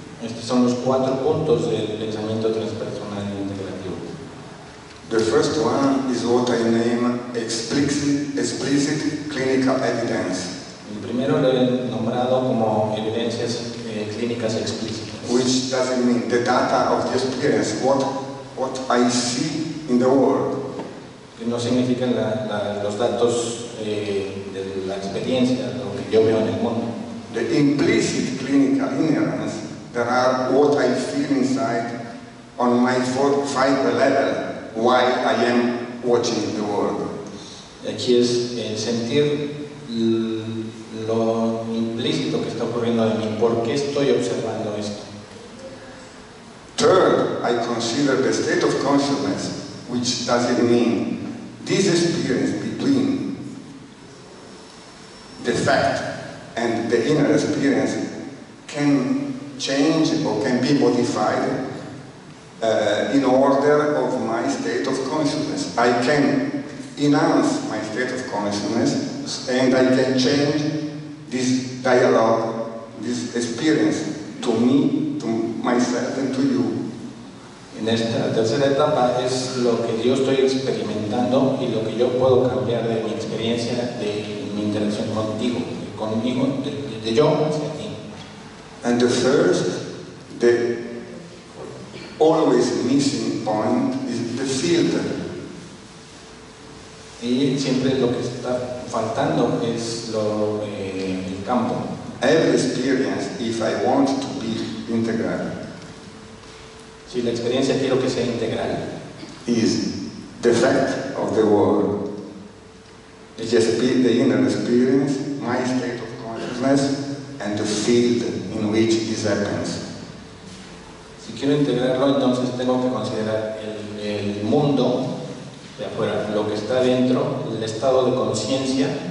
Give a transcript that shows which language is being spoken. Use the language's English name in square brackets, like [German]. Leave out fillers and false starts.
[Spanish] Estos son los 4 puntos del pensamiento transpersonal integrativo. [English] The first one is what I name explicit clinical evidence. [Spanish] El primero lo he nombrado como evidencias clínicas explícitas. [English] Which doesn't mean the data of the experience, what I see in the world. [Spanish] Que no significan los datos de la experiencia, lo que yo veo en el mundo. [English] The implicit clinical inherence, there are what I feel inside on my 4th, 5th level. Why I am watching the world. [Spanish] Aquí es sentir lo implícito que está ocurriendo en mí. ¿Por qué estoy observando esto? [English] Third, I consider the state of consciousness, which doesn't mean this experience between the fact and the inner experience can change or can be modified in order of my state of consciousness. I can enhance my state of consciousness and I can change this dialogue, this experience to me, to myself and to you. [Spanish] En esta tercera etapa es lo que yo estoy experimentando y lo que yo puedo cambiar de mi experiencia, de mi interacción contigo, conmigo, de yo hacia ti. [English] And the first, the always missing point is the filter. [Spanish] Y siempre lo que está faltando es lo, el campo. [English] Every experience, if I want to be integral, [Spanish] si la experiencia quiero que sea integral, [English] is the fact of the world. It just be the inner experience, my state of consciousness, and the field in which this happens. [Spanish] Si quiero integrarlo, entonces tengo que considerar el mundo de afuera, lo que está dentro, el estado de conciencia,